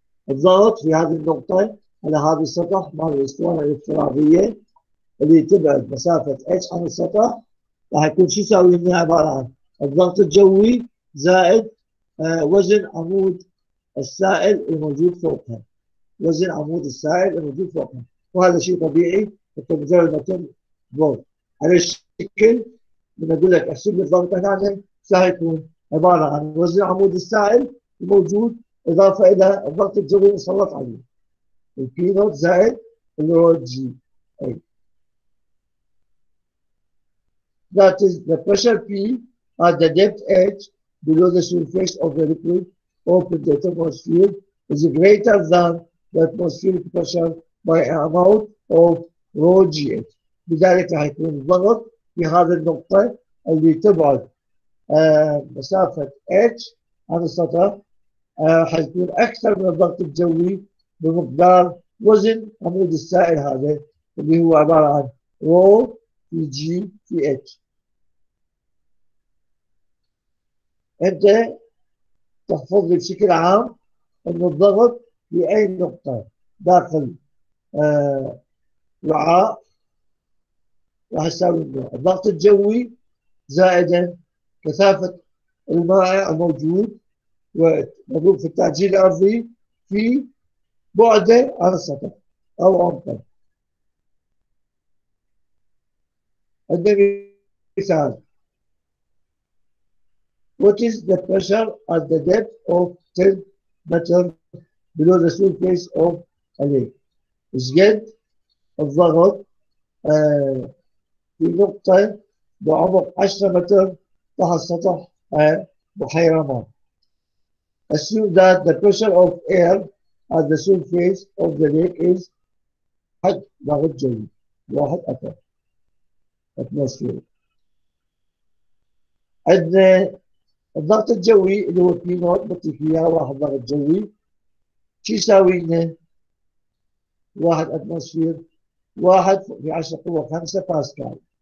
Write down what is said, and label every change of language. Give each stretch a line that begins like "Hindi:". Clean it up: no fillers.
Arabic: الضغط في هذه النقطة على هذا السطح مال الأسطوانة الافتراضية اللي تبعد مسافة اتش عن السطح راح يكون شو يساوي لنا؟ عبارة عن الضغط الجوي زائد وزن عمود السائل الموجود فوقها، وزن عمود السائل الموجود فوقها، وهذا شيء طبيعي حتى مجرد ما تم ضغط على الشكل. لما اقول لك احسب لي الضغط هنا سيكون عبارة عن وزن عمود السائل الموجود إضافة إلى الضغط الجوي اللي سلط عليه البي نوت زائد الرو جي اي.
English: That is the pressure P at the depth H below the surface of the liquid open the atmosphere is greater than the atmospheric pressure by an amount of rho g h.
Arabic: لذلك راح يكون الضغط في هذه النقطة اللي تبعد مسافة H عن السطح حيكون أكثر من الضغط الجوي بمقدار وزن عمود السائل هذا اللي هو عبارة عن rho في g في H. انت تحفظ لي بشكل عام ان الضغط في اي نقطة داخل وعاء راح يساوي الضغط الجوي زائد كثافة المائع الموجود وموجود في التعجيل الارضي في بعده عن السطح او عمقه. عندنا مثال.
English: What is the pressure at the depth of 10 meters below the surface of a lake?
Arabic: Is get الضغط في نقطة بعمق 10 متر تحت سطح بحيرة ما.
English: Assume that the pressure of air at the surface of the lake is 1
Arabic: ضغط جوي 1 أتر اتموسفير. عندنا الضغط الجوي اللي هو بي نوت بطيك اياه واحد ضغط جوي شو يساوي لنا؟ واحد اتموسفير واحد في 10 قوة 5 باسكال.